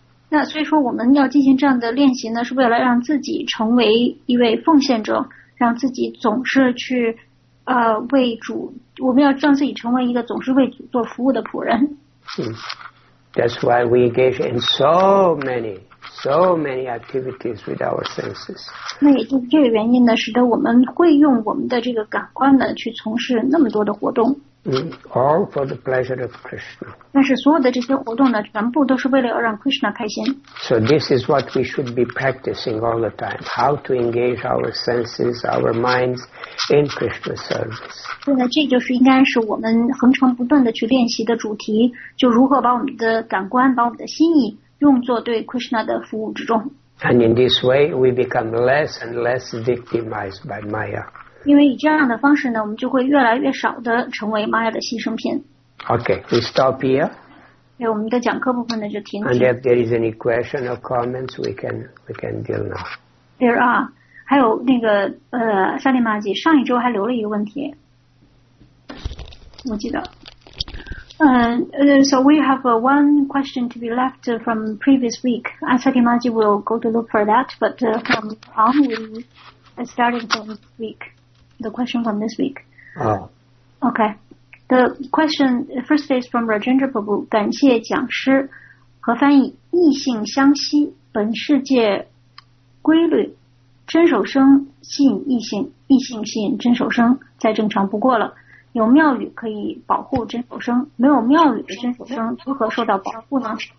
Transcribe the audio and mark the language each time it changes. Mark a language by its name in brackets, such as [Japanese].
[Chinese] 那所以说我们要进行这样的练习呢，是为了让自己成为一位奉献者，让自己总是去为主，我们要让自己成为一个总是为主做服务的仆人。 [English] That's why we engage in so many activities with our senses. [Chinese] 那也就是这个原因呢，使得我们会用我们的这个感官呢，去从事那么多的活动。 [English] All for the pleasure of Krishna. [Chinese] 但是所有的这些活动呢，全部都是为了要让 Krishna 开心。 [English] So this is what we should be practicing all the time: how to engage our senses, our minds in Krishna service. [Chinese] 对呢，这就是应该是我们恒常不断的去练习的主题，就如何把我们的感官，把我们的心意。用作对 Krishna 的服务之中。 [English] And in this way, we become less and less victimized by Maya. [Chinese] 因为以这样的方式呢，我们就会越来越少的成为 Maya 的牺牲品。 [English] Okay, we stop here. [Chinese] 对，我们的讲课部分呢就停。 [English] And if there is any question or comments, we can deal now. There are. [Chinese] 还有那个萨利玛吉上一周还留了一个问题，我记得。 [English] So we have one question to be left from previous week. Asati Maji will go to look for that, but from on we started from this week, the question from this week. Oh. Okay. The question first is from Rajendra Prabhu. [Chinese] 感谢讲师和翻译，异性相吸，本世界规律，真守生吸引异性，异性吸引真守生，再正常不过了。有庙宇可以保护真守生，没有庙宇的真守生如何受到保护呢？